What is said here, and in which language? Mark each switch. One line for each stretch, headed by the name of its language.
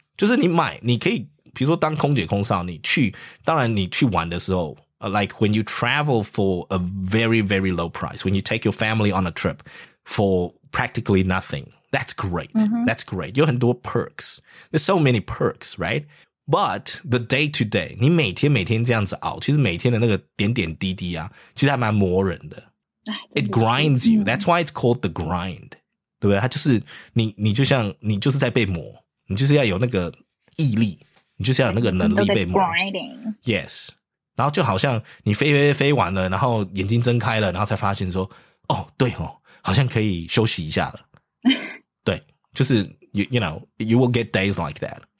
Chinese: 就是你买你可以比如说当空姐空少，你去当然你去玩的时候
English: like when you travel for a very, very low price, when you take your family on a trip for practically nothing, that's great. Mm-hmm. That's great.
Chinese: 有很多
English: perks. There's so many perks, right? But the day to day,
Chinese: 你每天每天这样子熬，其实每天的那个点点滴滴啊，其实还蛮磨人的。
English: It grinds you. That's why it's called the grind.
Chinese: 对不对？它就是你就像你就是在被磨，你就是要有那个毅力，你就是要有那个能力被磨。
English: Yes.
Chinese: 然后就好像你飞飞飞完了，然后眼睛睁开了，然后才发现说，哦，对哦，好像可以休息一下了。对，就是
English: you know you will get days like that.